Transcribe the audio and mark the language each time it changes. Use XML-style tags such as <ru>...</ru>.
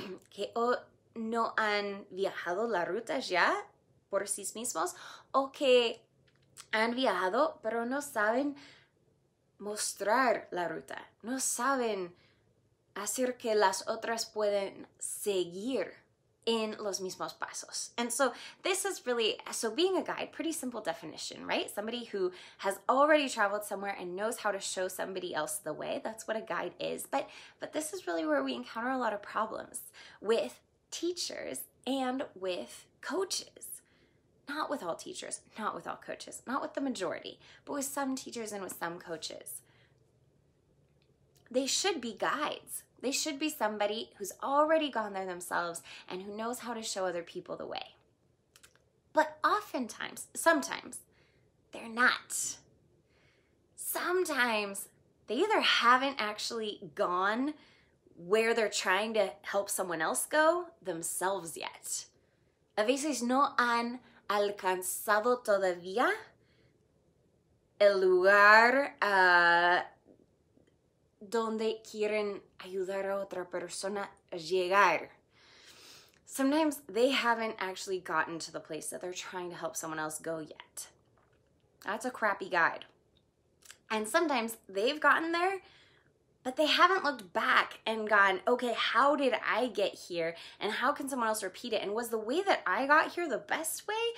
<es>que o no han viajado la ruta ya por sí mismos, o que han viajado pero no saben mostrar la ruta, no saben hacer que las otras pueden seguir en los mismos pasos.</es> <en>And so this is really, so being a guide, pretty simple definition, right? Somebody who has already traveled somewhere and knows how to show somebody else the way, that's what a guide is. But this is really where we encounter a lot of problems with teachers and with coaches. Not with all teachers, not with all coaches, not with the majority, but with some teachers and with some coaches. They should be guides. They should be somebody who's already gone there themselves and who knows how to show other people the way. But oftentimes, sometimes, they're not. Sometimes, they either haven't actually gone where they're trying to help someone else go themselves yet.</en> <es>A veces no han alcanzado todavía el lugar donde quieren ayudar a otra persona a llegar.</es> <en>Sometimes they haven't actually gotten to the place that they're trying to help someone else go yet. That's a crappy guide. And sometimes they've gotten there, but they haven't looked back and gone, okay, how did I get here? And how can someone else repeat it? And was the way that I got here the best way?</en>